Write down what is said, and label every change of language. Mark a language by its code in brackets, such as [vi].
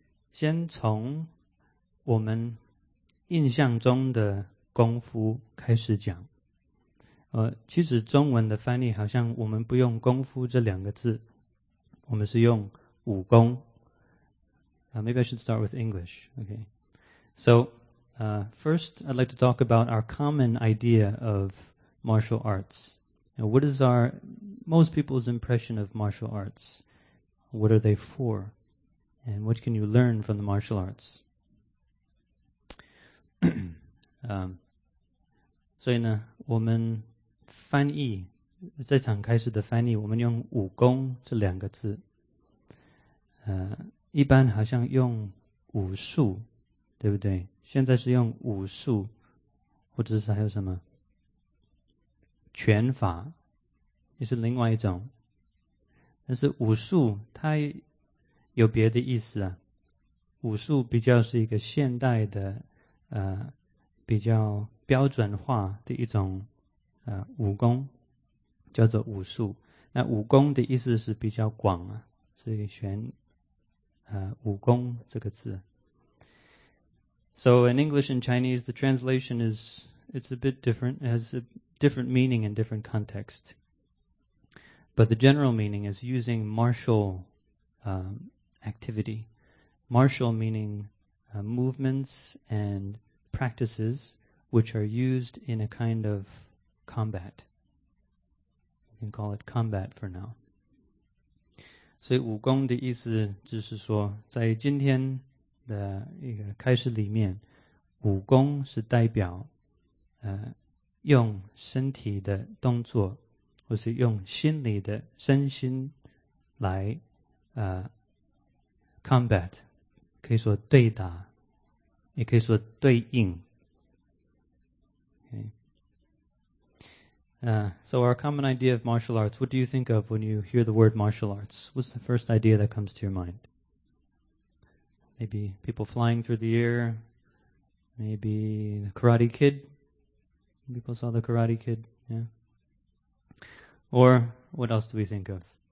[zh] 先从我们印象中的功夫开始讲。其实中文的翻译好像我们不用功夫这两个字，我们是用武功。 [en] Maybe I should start with English. Okay. So, first, I'd like to talk about our common idea of martial arts. Now, what is our, most people's impression of martial arts? What are they for? And what can you learn from the martial arts? [zh] 所以呢，我们翻译，这场开始的翻译，我们用武功这两个字。一般好像用武术，对不对？现在是用武术，或者是还有什么拳法，也是另外一种。但是武术它有别的意思啊，武术比较是一个现代的比较标准化的一种武功，叫做武术。那武功的意思是比较广啊，所以选武功这个字。 [en] So in English and Chinese, the translation is, it's a bit different, it has a different meaning in different context. But the general meaning is using martial activity. Martial meaning movements and practices which are used in a kind of combat. You can call it combat for now. [zh] 所以武功的意思就是说，在今天的一个开始里面，武功是代表用身体的动作，或是用心理的身心来combat， 可以说对打，也可以说对应。 [en] So our common idea of martial arts, what do you think of when you hear the word martial arts? What's the first idea that comes to your mind? Maybe people flying through the air, maybe the Karate Kid. People saw the Karate Kid, yeah. Or what else do we think of?